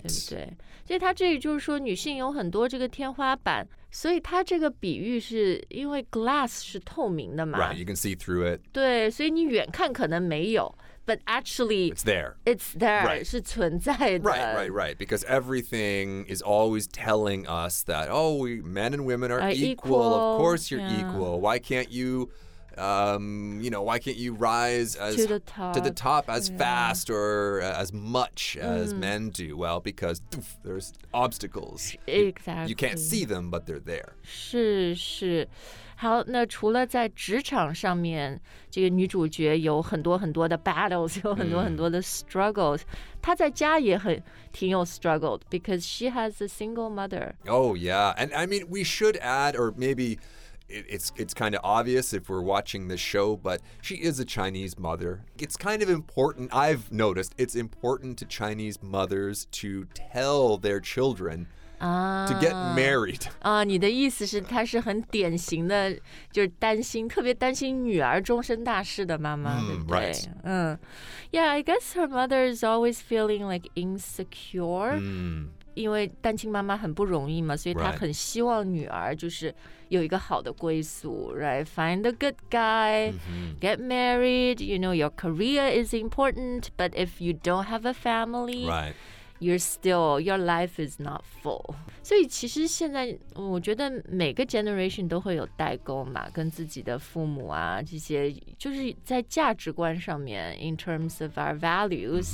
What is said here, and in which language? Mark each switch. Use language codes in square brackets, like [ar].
[zh] 对不对所以他这里就是说女性有很多这个天花板。所以它这个比喻是因为 glass 是透明的嘛。 [en] Right, you can see through it. [zh] 对所以你远看可能没有。 [en] But actually, it's there, [zh] right. 是存在的。 [en] Right, right, right. Because everything is always telling us that, oh, men and women are equal. Of course you're、 yeah. equal. Why can't you, you know, why can't you rise as, to the top as、yeah. fast or as much as、mm. men do? Well, because oof, there's obstacles. Exactly. You can't see them, but they're there. [zh] 是是。好那除了在职场上面这个女主角有很多很多的 battles 有很多很多的 struggles、mm. 她在家也很挺有 [en] struggled because she has a single mother Oh yeah and I mean we should add or maybe it's kind of obvious if we're watching this show, but she is a Chinese mother. It's kind of important, I've noticed, it's important to Chinese mothers to tell their children to get married. [zh] 你的意思是她是很典型的,就是担心,特别担心女儿终身大事的妈妈,对不对? [en] Right. Yeah, I guess her mother is always feeling like insecure. Mm. [zh] 因为单亲妈妈很不容易嘛,所以她很希望女儿就是有一个好的归宿, right? [en] Find a good guy, mm-hmm. get married, you know, your career is important, but if you don't have a family, right. your life is not full. [zh] 所以其实现在我觉得每个 generation 都会有代沟嘛, 跟自己的父母啊, 这些, 就是在价值观上面, [en] in terms of our values,